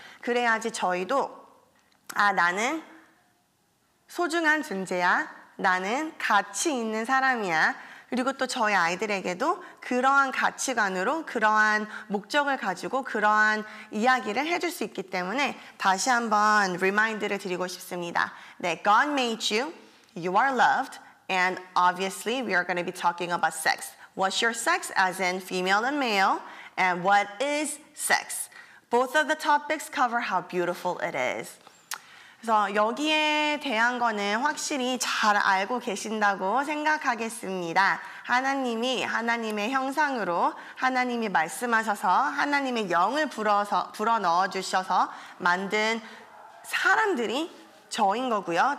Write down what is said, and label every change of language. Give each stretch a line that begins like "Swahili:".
Korean: 그래야지 저희도 아 나는 소중한 존재야. 나는 가치 있는 사람이야. 그리고 또 저희 아이들에게도 그러한 가치관으로 그러한 목적을 가지고 그러한 이야기를 해줄 수 있기 때문에 다시 한번 리마인드를 드리고 싶습니다.
English: 네, God made you, you are loved, and obviously we are going to be talking about sex. What's your sex as in female and male, and what is sex? Both of the topics cover how beautiful it is.
Korean: 그래서 여기에 대한 거는 확실히 잘 알고 계신다고 생각하겠습니다. 하나님이 하나님의 형상으로 하나님이 말씀하셔서 하나님의 영을 불어넣어 주셔서 만든 사람들이 저인 거고요.